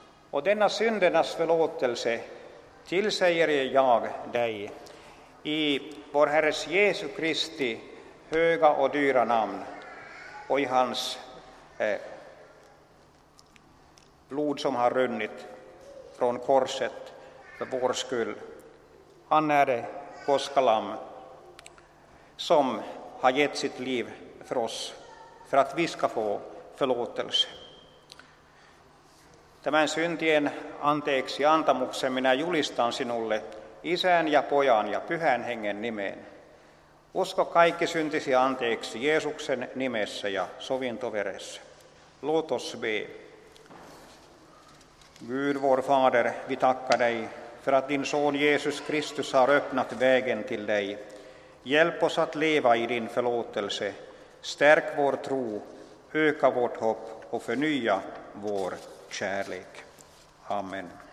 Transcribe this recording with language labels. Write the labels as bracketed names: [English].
[Swedish] Och denna syndernas förlåtelse tillsäger jag dig i vår Herres Jesu Kristi höga och dyra namn och i hans blod som har runnit från korset för vår skull. Han är det påskalamm som har gett sitt liv för oss för att vi ska få förlåtelse. [Finnish] Tämän syntien anteeksi antamuksen minä julistan sinulle Isän ja Pojan ja Pyhän Hengen nimeen. Usko kaikki syntisi anteeksi Jeesuksen nimessä ja sovintoveressä. [Swedish] Låt oss be. Gud, vår Fader, vi tackar dig för att din son Jesus Kristus har öppnat vägen till dig. Hjälp oss att leva i din förlåtelse. Stärk vår tro, öka vårt hopp och förnya vår kärlek. Amen.